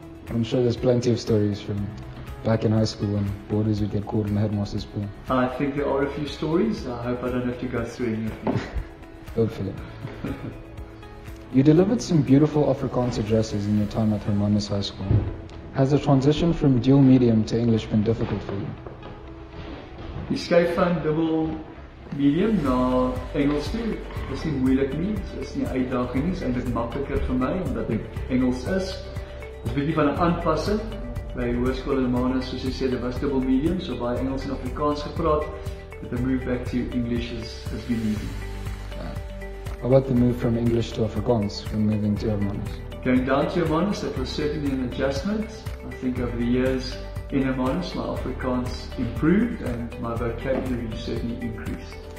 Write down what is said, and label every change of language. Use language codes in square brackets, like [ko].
[en] I'm sure there's plenty of stories from back in high school when borders would get caught in the headmaster's pool. I think there are a few stories. I hope I don't have to go through any of them. Hopefully. You delivered some beautiful Afrikaans addresses in your time at Hermanus High School. Has the transition from dual medium to English been difficult for you? [af] Die skei van dubbel medium na Engels toe is nie moeilik nie, is nie 'n uitdaging nie, is eintlik makliker vir my omdat ek Engels is. Dit is 'n bietjie van 'n aanpassing. By hoërskool in Manus, soos jy sê, dit was dubbel medium, so baie Engels en Afrikaans gepraat. [en] But the move back to English has been easy. How about the move from English to Afrikaans from moving to Hermanus? Going down to Hermanus, that was certainly an adjustment. I think over the years in Hermanus, my Afrikaans improved and my vocabulary certainly increased.